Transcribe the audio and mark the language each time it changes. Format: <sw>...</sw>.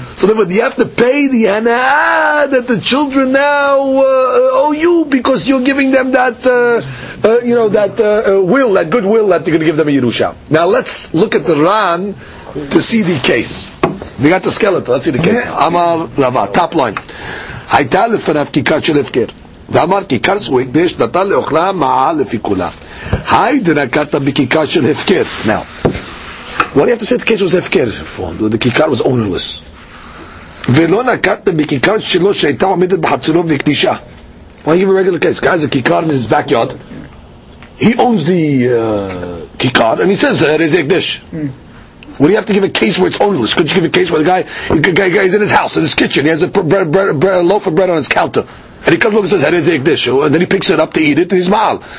<en>So then you have to pay the Hana'ah that the children now owe you, because you're giving them that, will, that goodwill, that you're going to give them a Yerusha. Now let's look at the Ran to see the case. We got the skeleton, let's see the case. Amar Lava, top line.</en> <he>הייתה לפניו כיכר של הפקר. ואמר כיכר זו הקדש נתן לאוכלה מעל לפי כולה. היי דנקת בכיכר של הפקר.</he> <en>Now, what do you have to say the case was הפקר? The כיכר was ownerless.</en> <he>ולא נקת בכיכר שלו שהייתה עומדת בחצרו והקדישה.</he> <en>Why give a regular case? Guy's a kikar in his backyard. He owns the kikar, and he says that is a dish. What do you have to give a case where it's ownerless? Could you give a case where the guy is in his house, in his kitchen, he has a loaf of bread on his counter, and he comes over and says, Herezek dish, and then he picks it up to eat it, and he's ma'al.</en>